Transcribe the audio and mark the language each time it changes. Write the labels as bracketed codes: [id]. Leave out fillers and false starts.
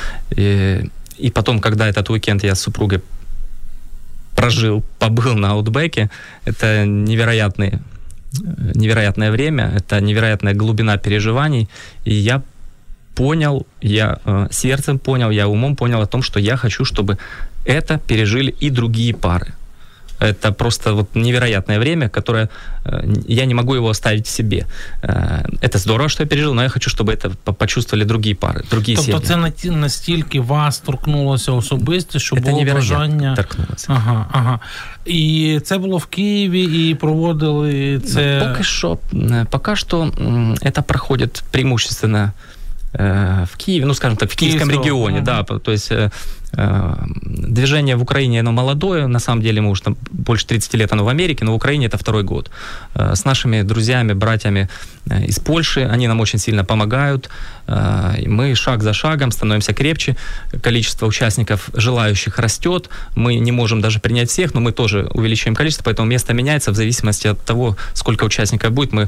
[ru] И потом, когда этот уикенд я с супругой прожил, побыл на аутбеке, это невероятное время, это невероятная глубина переживаний, и я понял, я сердцем понял, я умом понял о том, что я хочу, чтобы это пережили и другие пары. Это просто вот невероятное время, которое я не могу его оставить в себе. Это здорово, что я пережил, но я хочу, чтобы это почувствовали другие пары, другие семьи. [uk] Тобто це настільки вас торкнулося особисто, що було бажання... Це невероятно торкнулося. Ага, ага. І це було в Києві, і проводили це... Поки що це проходить [ru] преимущественно в Києві, ну, скажем так, в Київському регіоні, да, то есть движение в Украине, оно молодое, на самом деле, мы уже там больше 30 лет оно в Америке, но в Украине это второй год. С нашими друзьями, братьями из Польши, они нам очень сильно помогают, и мы шаг за шагом становимся крепче, количество участников желающих растет, мы не можем даже принять всех, но мы тоже увеличиваем количество, поэтому место меняется в зависимости от того, сколько участников будет.